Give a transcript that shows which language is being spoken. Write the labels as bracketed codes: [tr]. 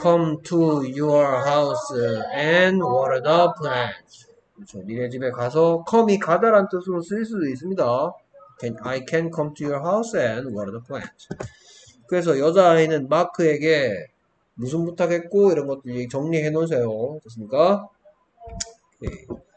[en] come to your house and water the plants. [ko] 그렇죠. 니네 집에 가서 come이 가다란 뜻으로 쓰일 수도 있습니다. [en] I can come to your house and water the plants. [ko] 그래서 여자아이는 마크에게 무슨 부탁했고 이런 것들 정리해 놓으세요. 됐습니까? 오케이.